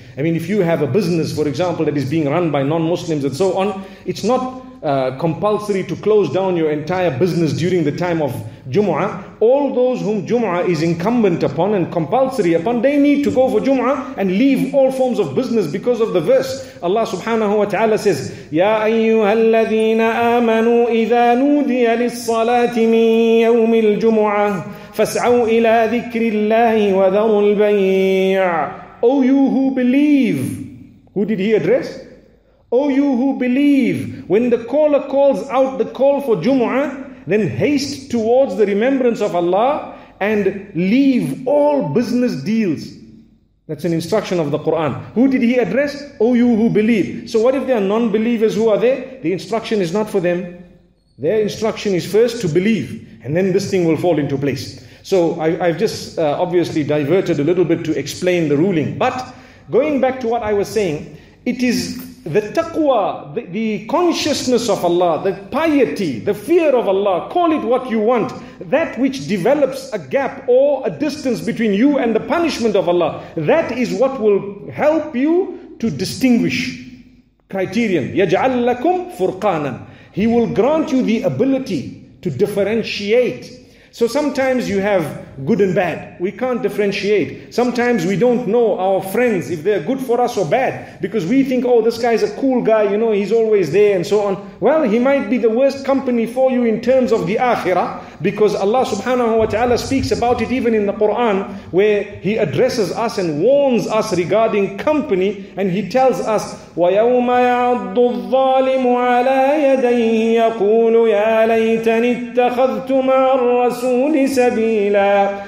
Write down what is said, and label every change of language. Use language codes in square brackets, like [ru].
[en] I mean, if you have a business, for example, that is being run by non-Muslims and so on, it's not compulsory to close down your entire business during the time of Jumu'ah. All those whom Jumu'ah is incumbent upon and compulsory upon, they need to go for Jumu'ah and leave all forms of business because of the verse. Allah subhanahu wa ta'ala says, [ar] يَا أَيُّهَا الَّذِينَ آمَنُوا إِذَا نُودِيَ لِلصَّلَاةِ مِنْ يَوْمِ الْجُمُعَةِ فَاسْعَوْا إِلَىٰ ذِكْرِ اللَّهِ وَذَرُوا الْبَيْعِ. [en] O you who believe. Who did he address? O you who believe, when the caller calls out the call for Jumu'ah, then haste towards the remembrance of Allah and leave all business deals. That's an instruction of the Quran. Who did he address? O you who believe. So what if there are non-believers who are there? The instruction is not for them. Their instruction is first to believe, and then this thing will fall into place. So I've just obviously diverted a little bit to explain the ruling. But going back to what I was saying, it is the taqwa, the consciousness of Allah, the piety, the fear of Allah, call it what you want, that which develops a gap or a distance between you and the punishment of Allah, that is what will help you to distinguish. Criterion, [ar] يَجْعَلْ لَكُمْ فُرْقَانًا. [en] He will grant you the ability to differentiate. So sometimes you have good and bad. We can't differentiate. Sometimes we don't know our friends if they're good for us or bad, because we think, oh, this guy's a cool guy, you know, he's always there and so on. Well, he might be the worst company for you in terms of the akhirah, because Allah subhanahu wa ta'ala speaks about it even in the Quran, where he addresses us and warns us regarding company, and he tells us, [ar] وَيَوْمَ يَعَضُّ الظَّالِمُ عَلَىٰ يَدَيْهِ يَقُولُ يَا لَيْتَنِ اتَّخَذْتُ مَعَ الرَّسُولِ سَبِيلًا